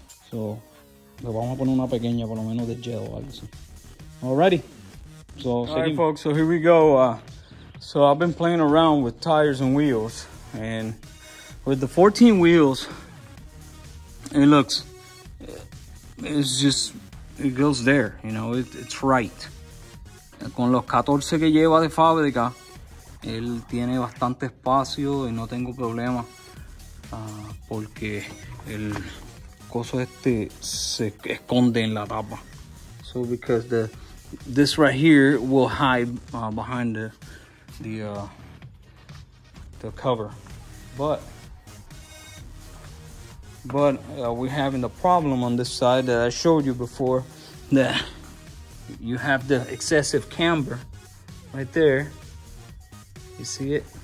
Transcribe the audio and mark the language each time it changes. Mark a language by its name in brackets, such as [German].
[Spanish] So, le vamos a poner una pequeña, por lo menos de gel o algo así. [English] Alrighty. So, alright, folks. So, here we go. So, I've been playing around with tires and wheels. And with the 14 wheels, it looks... It's just... It goes there. You know, it's right. [Spanish] Con los 14 que lleva de fábrica, él tiene bastante espacio y no tengo problema, porque el coso este se esconde en la tapa. [English] So because this right here will hide behind the cover, but we're having the problem on this side that I showed you before, that you have the excessive camber right there. You see it?